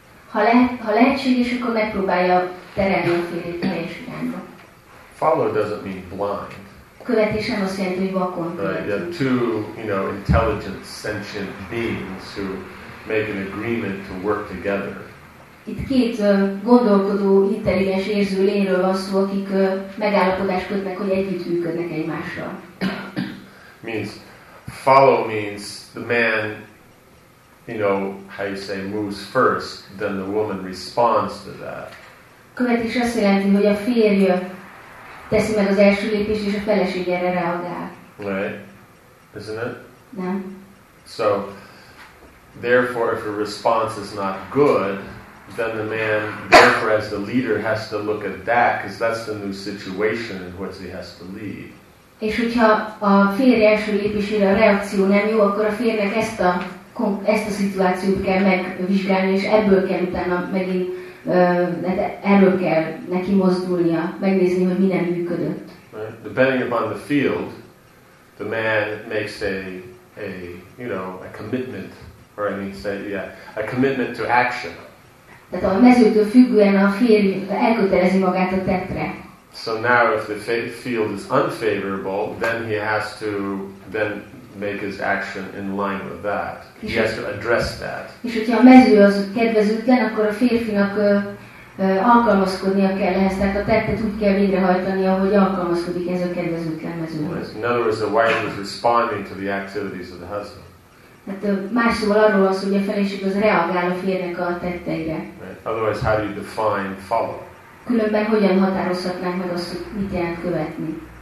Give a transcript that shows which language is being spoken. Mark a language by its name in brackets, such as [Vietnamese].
[Hungarian] Ha lehetséges, akkor megpróbálja terelni a férjét teljes irányba. [English] Follow doesn't mean blind. [Hungarian] Követés nem azt jelenti, hogy vakon. [English] Two, you know, intelligent, sentient beings who make an agreement to work together. [Hungarian] Itt két gondolkodó, intelligens érző lényről van szó, akik megállapodást kötnek, hogy együttműködnek egymással. [English] Means, follow means the man, you know, how you say, moves first, then the woman responds to that. [Hungarian] Követés azt jelenti, hogy a férj teszi meg az első lépést, és a feleség erre reagál. [English] Right? Isn't it? [Hungarian] Nem. [English] So, therefore, if a response is not good, then the man, therefore as the leader, has to look at that, because that's the new situation in which he has to lead. [Hungarian] És hogyha a férj első lépésére a reakció nem jó, akkor a férjnek ezt a szituációt kell megvizsgálni, és ebből kell utána megint, erről kell neki mozdulnia, megnézni, hogy mi nem működött. [English] Right. Depending upon the field, the man makes a commitment, or I mean say, yeah, a commitment to action. [Hungarian] Tehát a mezőtől függően a férj elkötelezi magát a tettre. [English] So now if the field is unfavorable, then he has to then make his action in line with that. He has to address that. [Hungarian] És hogyha a mező az kedvezőtlen, akkor a férfinak alkalmazkodnia kell ehhez. Tehát a tettet úgy kell végrehajtani, ahogy alkalmazkodik ez a kedvezőtlen mezőhöz. [English] In other words, the wife is responding to the activities of the husband. [Hungarian] Hát más szóval arról az, hogy a feleség az reagál a férjnek a tetteire. [English] Right. Otherwise, how do you define follow? [Hungarian] Különben hogyan határozhatnánk meg azt, hogy mit jelent követni?